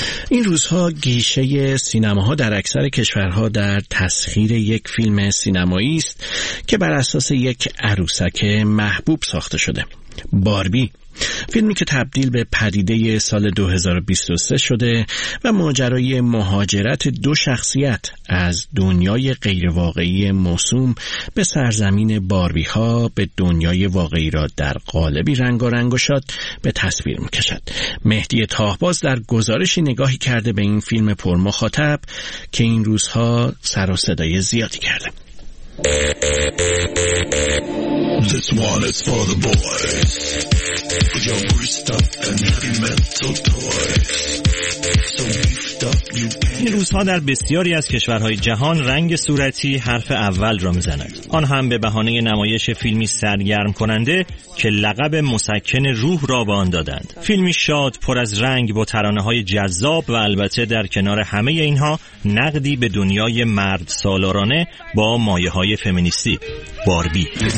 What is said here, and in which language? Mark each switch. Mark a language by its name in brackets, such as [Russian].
[Persian] این روزها گیشه سینماها در اکثر کشورها در تسخیر یک فیلم سینمایی است که بر اساس یک عروسک محبوب ساخته شده، باربی، فیلمی که تبدیل به پدیده سال 2023 شده و ماجرای مهاجرت دو شخصیت از دنیای غیرواقعی موسوم به سرزمین باربی ها به دنیای واقعی را در قالبی رنگارنگ شد به تصویر میکشد. مهدی طاهباز در گزارشی نگاهی کرده به این فیلم پرمخاطب که این روزها سر و صدای زیادی کرده. [English] This one is for the boys with your greased up and heavy metal toys. [Persian] این روزها در بسیاری از کشورهای جهان رنگ صورتی حرف اول را می‌زند. آن هم به بهانه نمایش فیلمی سرگرم کننده که لقب مسکن روح را به آن دادند. فیلمی شاد، پر از رنگ، با ترانه‌های جذاب و البته در کنار همه اینها نقدی به دنیای مرد سالارانه با مایه‌های فمینیستی. باربی.